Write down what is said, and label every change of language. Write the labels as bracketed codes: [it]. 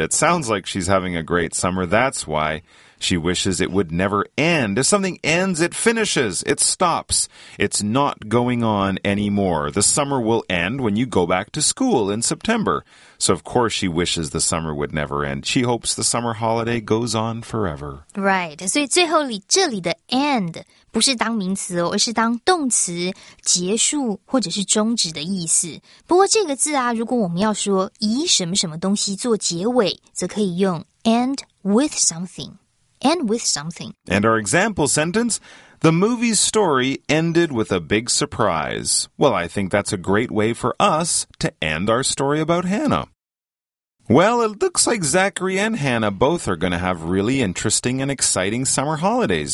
[en] It sounds like she's having a great summer. That's why she wishes it would never end. If something ends, it finishes. It stops. It's not going on anymore. The summer will end when you go back to school in September. So, of course, she wishes the summer would never end. She hopes the summer holiday goes on forever. Right. [zh] 所以最后里这里的 end 不是当名词哦，而是当动词结束或者是终止的意思。不过这个字啊，如果我们要说以什么什么东西做结尾，则可以用 [en] end with something. End with something. And our example sentence, the movie's story ended with a big surprise. Well, I think that's a great way for us to end our story about Hannah. Well, it looks like Zachary and Hannah both are going to have really interesting and exciting summer holidays.